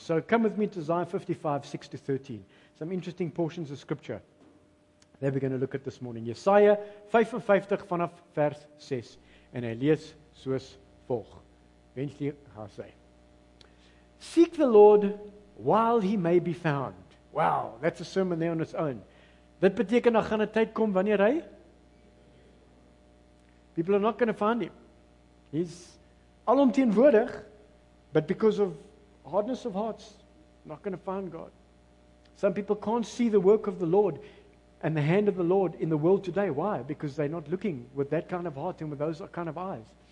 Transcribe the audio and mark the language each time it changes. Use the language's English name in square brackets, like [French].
[English] So come with me to Isaiah 55, 6 to 13. Some interesting portions of Scripture that we're going to look at this morning. [Afrikaans] Jesaja 55, vanaf vers 6. En hy lees soos volg. [English] Eventually, how say? Seek the Lord while he may be found. Wow, that's a sermon there on its own. [Afrikaans] Dit beteken, daar gaan 'n tyd kom wanneer hy? [English] People are not going to find him. He's alomteenwoordig. But because of hardness of hearts, not going to find God. Some people can't see the work of the Lord and the hand of the Lord in the world today. Why? Because they're not looking with that kind of heart and with those kind of eyes.